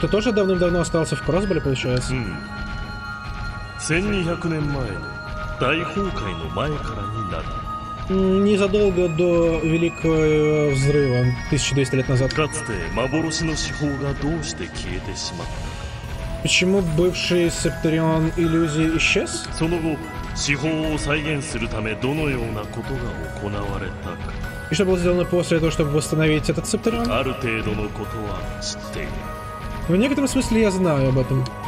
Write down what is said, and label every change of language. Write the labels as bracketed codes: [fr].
[ru] ты тоже давным-давно остался в Кроссбелле, получается? [ja] 1200 лет前の大崩壊の前からになる. [ru] Незадолго до Великого Взрыва, 1200 лет назад. [ja] かつて幻の司法がどうして消えてしまったか. [ru] Почему бывший Септ-Террион иллюзии исчез? [ja] その後、司法を再現するためどのようなことが行われたか. [ru] И что было сделано после того, чтобы восстановить этот Септ-Террион? В некотором смысле я знаю об этом.